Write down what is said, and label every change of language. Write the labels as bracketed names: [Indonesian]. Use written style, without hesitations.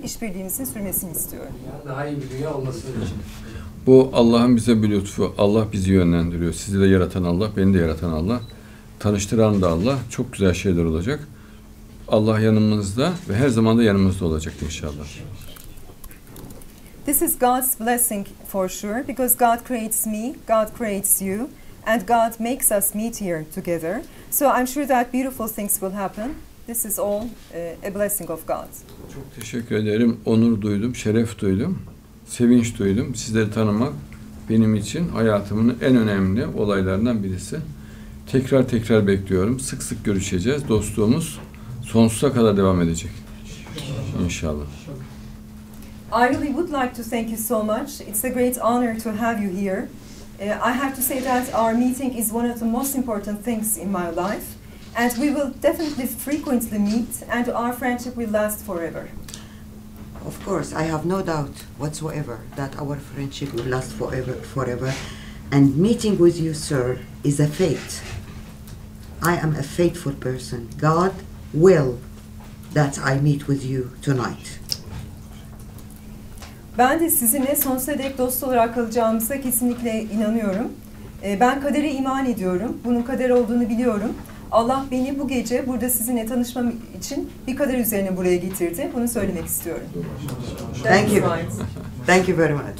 [Turkish] İşbirliğimizin sürmesini istiyorum. Daha iyi bir dünya olmasını için. Bu Allah'ın bize bir lütfu. Allah bizi yönlendiriyor. Sizi de yaratan Allah, beni de yaratan Allah. Tanıştıran da Allah. Çok güzel şeyler olacak. Allah yanımızda ve her zaman da yanımızda olacak inşallah. [English] This is God's blessing for sure because God creates me, God creates you. And God makes us meet here together. So I'm sure that beautiful things will happen. This is all a blessing of God. [Turkish] Çok teşekkür ederim. Onur duydum, şeref duydum, sevinç duydum. Sizleri tanımak benim için hayatımın en önemli olaylarından birisi. Tekrar tekrar bekliyorum. Sık sık görüşeceğiz. Dostluğumuz sonsuza kadar devam edecek. İnşallah. [English] I really would like to thank you so much. It's a great honor to have you here. I have to say that our meeting is one of the most important things in my life and we will definitely frequently meet and our friendship will last forever. Of course, I have no doubt whatsoever that our friendship will last forever. And meeting with you, sir, is a fate. I am a faithful person. God will that I meet with you tonight. [Turkish] Ben de sizinle sonsuza dek dost olarak kalacağımıza kesinlikle inanıyorum. Ben kadere iman ediyorum. Bunun kader olduğunu biliyorum. Allah beni bu gece burada sizinle tanışmam için bir kader üzerine buraya getirdi. Bunu söylemek istiyorum. [English] Thank you. Right. Thank you very much.